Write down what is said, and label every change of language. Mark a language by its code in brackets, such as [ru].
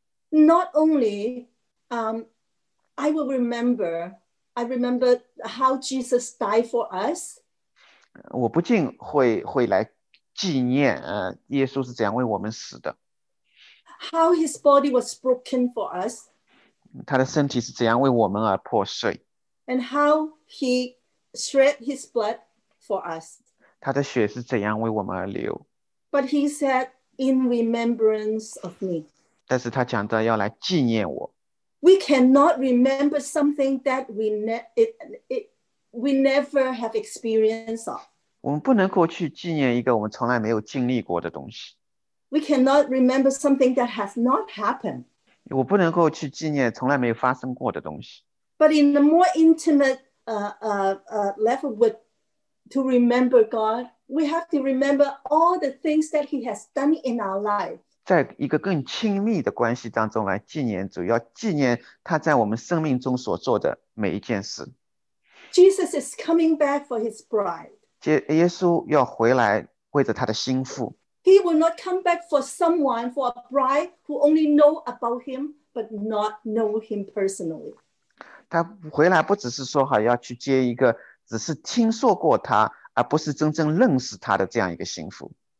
[en] Not only, I remember how Jesus died for us. [zh] 我不禁会来纪念耶稣是怎样为我们死的。 [en] How his body was broken for us. [zh] 他的身体是怎样为我们而破碎。 [en] And how he shed his blood for us. [zh] 他的血是怎样为我们而流。 [en] But he said, in remembrance of me. [zh] 但是他讲到要来纪念我。 [en] We cannot remember something that we never have experienced of. [zh] 我们不能够去纪念一个我们从来没有经历过的东西。 [en] We cannot remember something that has not happened. [zh] 我不能够去纪念从来没有发生过的东西。 [en] But in a more intimate level with to remember God, we have to remember all the things that he has done in our life. [zh] 在一个更亲密的关系当中来纪念主，要纪念他在我们生命中所做的每一件事。 [en] Jesus is coming back for his bride. [zh] 耶稣要回来为着他的心腹。 [en] He will not come back for someone, for a bride who only know about him, but not know him personally. [zh] 他回来不只是说好要去接一个只是听说过他，而不是真正认识他的这样一个心腹。